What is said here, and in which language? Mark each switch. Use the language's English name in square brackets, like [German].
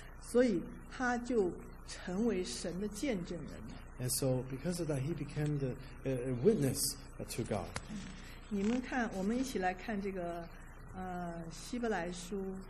[Chinese] 所以他就成为神的见证人。 [English] And so because of that, he became the witness to God. [Chinese] 你们看，我们一起来看这个，希伯来书。